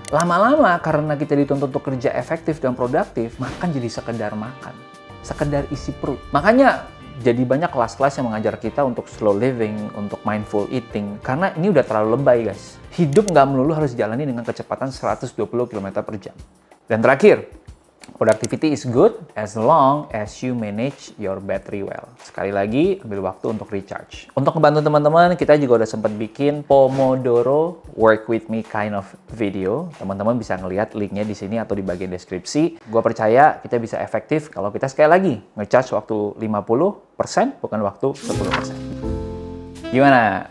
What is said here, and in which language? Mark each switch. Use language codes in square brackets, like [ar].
[id] Lama-lama karena kita dituntut untuk kerja efektif dan produktif, makan jadi sekedar makan, sekedar isi perut. Makanya jadi banyak kelas-kelas yang mengajar kita untuk [en] slow living, [id] untuk [en] mindful eating. [id] Karena ini udah terlalu lebay, guys. Hidup nggak melulu harus dijalani dengan kecepatan 120 km per jam. Dan terakhir, [en] productivity is good as long as you manage your battery well. [id] Sekali lagi, ambil waktu untuk recharge. Untuk membantu teman-teman, kita juga udah sempat bikin Pomodoro Work With Me [en] kind of video. [id] Teman-teman bisa ngelihat linknya di sini atau di bagian deskripsi. Gua percaya kita bisa efektif kalau kita sekali lagi ngecharge waktu 50%, bukan waktu 10%. Gimana?